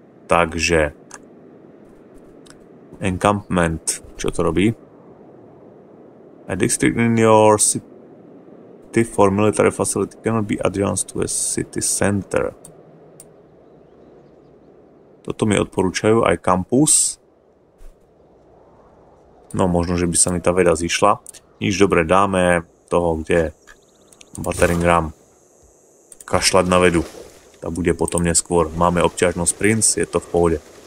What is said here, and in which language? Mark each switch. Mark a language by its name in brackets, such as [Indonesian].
[Slovak] Takže encampment, čo to robí? [English] A district in your city for military facility cannot be advanced to a city center. [Slovak] Toto mi odporúčajú aj campus. No, možno, že by sa mi tá veda zišla. Nič, dobre, dáme toho, kde je. Battering ram. Kašľať na vedu. Tá bude potom neskôr. Máme obťažnosť princ, je to v pohode.